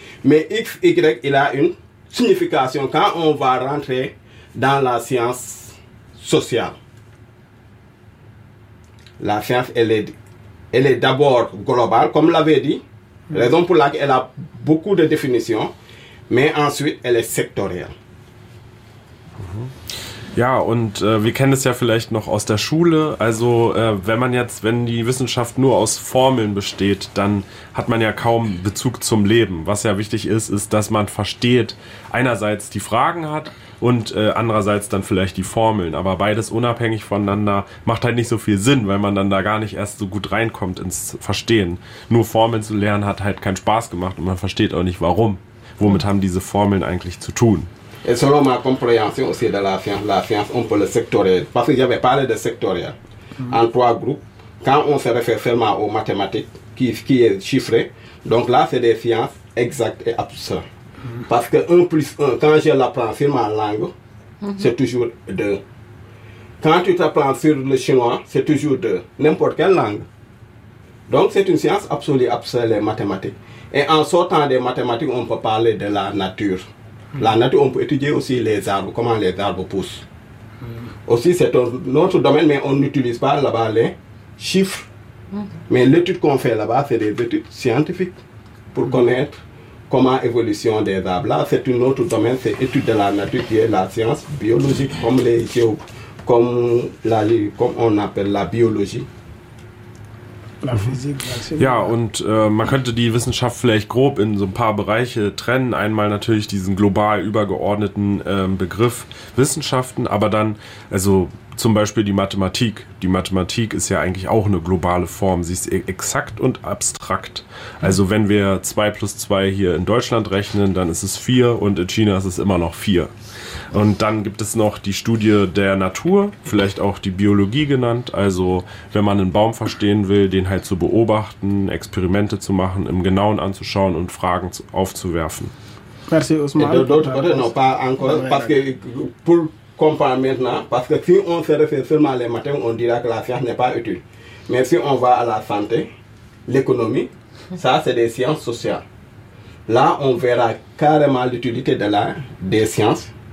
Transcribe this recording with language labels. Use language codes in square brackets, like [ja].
[fr] Mais x, y, il a une signification quand on va rentrer dans la science sociale. La science, elle est d'abord globale, comme l'avait dit, raison pour laquelle elle a beaucoup de définitions, mais ensuite, elle est sectorielle. [de] Ja, und wir kennen es ja vielleicht noch aus der Schule. Also wenn die Wissenschaft nur aus Formeln besteht, dann hat man ja kaum Bezug zum Leben. Was ja wichtig ist, ist, dass man versteht, einerseits die Fragen hat und andererseits dann vielleicht die Formeln. Aber beides unabhängig voneinander macht halt nicht so viel Sinn, weil man dann da gar nicht erst so gut reinkommt ins Verstehen. Nur Formeln zu lernen hat halt keinen Spaß gemacht und man versteht auch nicht, warum. Womit haben diese Formeln eigentlich zu tun? [fr] Et selon ma compréhension aussi de la science, on peut le sectorier. Parce que j'avais parlé de sectoriel en trois groupes. Quand on se réfère seulement aux mathématiques, qui est chiffré, donc là, c'est des sciences exactes et absurdes. Parce que 1 plus 1, quand je l'apprends sur ma langue, c'est toujours 2. Quand tu t'apprends sur le chinois, c'est toujours 2. N'importe quelle langue. Donc c'est une science absolue, absurde, les mathématiques. Et en sortant des mathématiques, on peut parler de la nature. La nature, on peut étudier aussi les arbres, comment les arbres poussent. Aussi, c'est un autre domaine, mais on n'utilise pas là-bas les chiffres. Mais l'étude qu'on fait là-bas, c'est des études scientifiques pour connaître comment évolution des arbres. Là, c'est un autre domaine, c'est l'étude de la nature qui est la science biologique, comme les comme on appelle la biologie. [de] Ja, und man könnte die Wissenschaft vielleicht grob in so ein paar Bereiche trennen. Einmal natürlich diesen global übergeordneten Begriff Wissenschaften, aber dann, also zum Beispiel die Mathematik. Die Mathematik ist ja eigentlich auch eine globale Form. Sie ist exakt und abstrakt. Also wenn wir 2 plus 2 hier in Deutschland rechnen, dann ist es 4 und in China ist es immer noch 4. Und dann gibt es noch die Studie der Natur, vielleicht auch die Biologie genannt. Also wenn man einen Baum verstehen will, den halt zu beobachten, Experimente zu machen, im Genauen anzuschauen und Fragen aufzuwerfen. [fr] Merci, Ousmane. Et d'autres côtés, non, pas encore, parce que pour comprendre maintenant, parce que si on se réfère seulement à les mathématiques, on dira que la science n'est pas utile. Mais si on va à la santé, l'économie, ça c'est des sciences sociales. Là, on verra carrément l'utilité de la, des sciences.